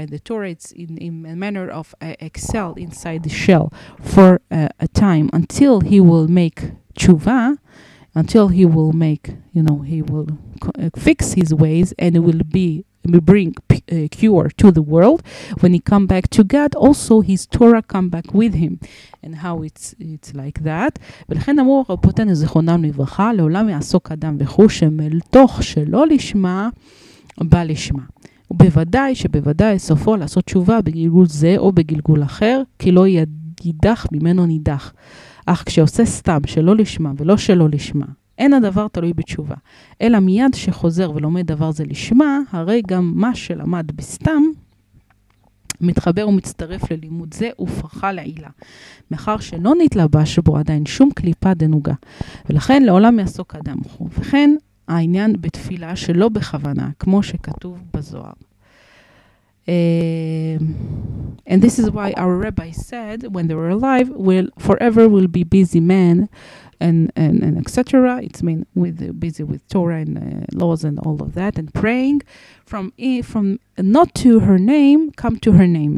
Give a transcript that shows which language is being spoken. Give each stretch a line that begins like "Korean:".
English: And the Torah, it's in a manner of excel inside the shell for a time, until he will make tshuva, until he will make, you know, he will fix his ways, and it will be, we bring cure to the world. When he come back to God, also his Torah come back with him. And how it's like that.
Hebrew: ולכן אמרו רבותינו זכרונם לברכה, לעולם יעסוק אדם בחוש מתוך שלא לשמה בא לשמה. ובוודאי שבוודאי סופו לעשות תשובה בגלגול זה או בגלגול אחר, כי לא יידח ממנו נידח. אך כשעושה סתם שלא לשמה ולא שלא לשמה, אין הדבר תלוי בתשובה, אלא מיד שחוזר ולומד דבר זה לשמה, הרי גם מה שלמד בסתם, מתחבר ומצטרף ללימוד זה ופרחה לעילה, מאחר שלא נתלבש בו עדיין שום קליפה דנוגה, ולכן לעולם יעסוק אדם חו, וכן העניין בתפילה שלא בכוונה, כמו שכתוב בזוהר.
English: And this is why our rabbi said, when they were alive, we'll forever will be busy men, and etc. It's mean with busy with Torah and laws and all of that, and praying from not to her name, come to her name.